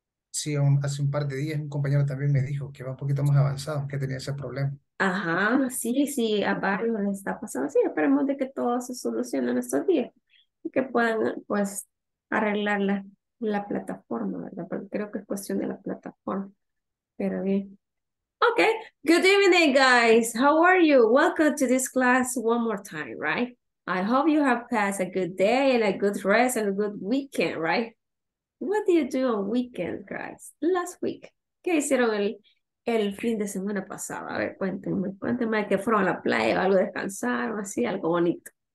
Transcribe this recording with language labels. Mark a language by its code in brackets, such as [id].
[es] Sí, hace un par de días un compañero también me dijo que va un poquito más avanzado, que tenía ese problema. Sí, a varios les está pasando. Sí, esperemos de que todo se solucione en estos días y que puedan, pues, arreglar la plataforma, ¿verdad? Porque creo que es cuestión de la plataforma. Pero bien. [en] Okay. Good evening, guys. How are you? Welcome to this class one more time, right? I hope you have passed a good day and a good rest and a good weekend, right? What do you do on weekends, guys? Last week. [es] ¿Qué hicieron El fin de semana pasado, a ver, cuénteme, que fueron a la playa o algo, descansaron, así, algo bonito.